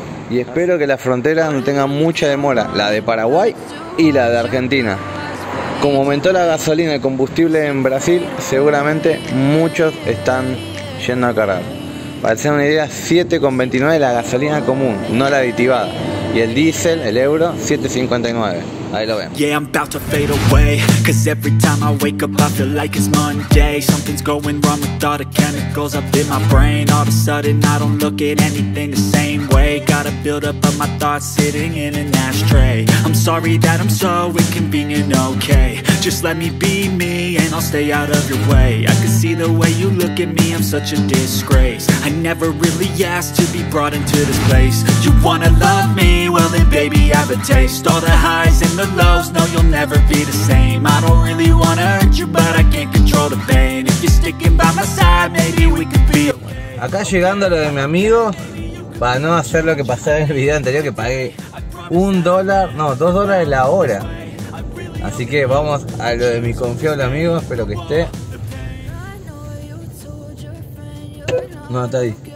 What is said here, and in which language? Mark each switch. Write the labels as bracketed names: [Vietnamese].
[Spanish] Y espero que la frontera no tenga mucha demora, la de Paraguay y la de Argentina. Como aumentó la gasolina y el combustible en Brasil, seguramente muchos están yendo a cargar. Para hacer una idea, 7,29 la gasolina común, no la aditivada. Y el diésel, el euro, 7,59. [English] Yeah, I'm about to fade away. Cause every time I wake up, I feel like it's Monday. Something's going wrong with all the chemicals up in my brain. All of a sudden, I don't look at anything the same way. Gotta build up of my thoughts sitting in an ashtray. I'm sorry that I'm so inconvenient, okay. Just let me be me and I'll stay out of your way. I can see the way you look at me, I'm such a disgrace. I never really asked to be brought into this place. You wanna love me? Well then baby, I have a taste. All the highs and the lows, no you'll never be the same. I don't really wanna hurt you, but I can't control the pain. If you're sticking by my side, maybe we could be okay. [Spanish] Acá llegando lo de mi amigo, para no hacer lo que pasó en el video anterior, que pagué $2 la hora. Así que vamos a lo de mi confiable amigo, espero que esté. No, está ahí.